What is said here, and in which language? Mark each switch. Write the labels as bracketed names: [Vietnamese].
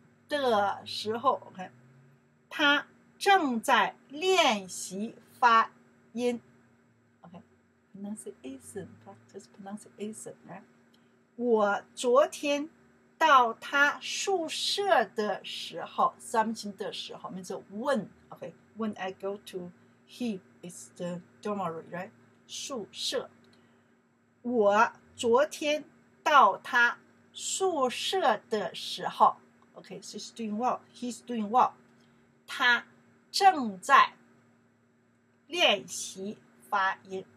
[English] okay, [Chinese] 他正在练习发音 [English] okay, pronunciation, practice pronunciation, right? [Chinese] 我昨天到他宿舍的时候 [English] something 的时候 means when okay, when I go to he is the dormitory, right? [Chinese] 宿舍我昨天到他宿舍的时候 [English] okay, she's doing well, he's doing well [Chinese] 他正在练习发音